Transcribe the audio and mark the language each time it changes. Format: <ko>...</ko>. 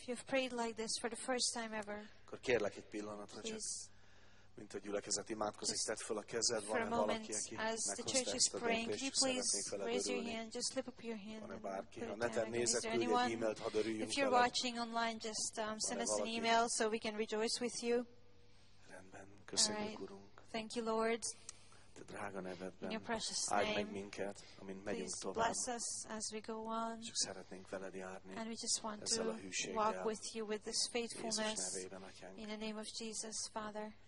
<en>If you've prayed like this for the first time ever.</en> <hu>Akkor kérlek egy pillanatra csak. Mint a gyülekezet imádkozik, tedd fel a kezed, van valaki, aki meghozta ezt a döntést, és szeretnék vele örülni. Van-e bárki? Ha neten nézed, küldj egy e-mailt, hadd örüljünk vele.</hu> <en>If you're watching online, just send us an email, so we can rejoice with you.</en> <hu>Rendben, köszönjük, Urunk.</hu> <en>Thank you, Lord.</en> <hu>Te drága nevedben.</hu> <en>In your precious name.</en> <hu>Áld meg minket, amint megyünk tovább.</hu> <en>Please bless us as we go on.</en> <hu>Csak szeretnénk veled járni.</hu> <en>And we just want to walk with you with this faithfulness. In the name of Jesus, Father.</en>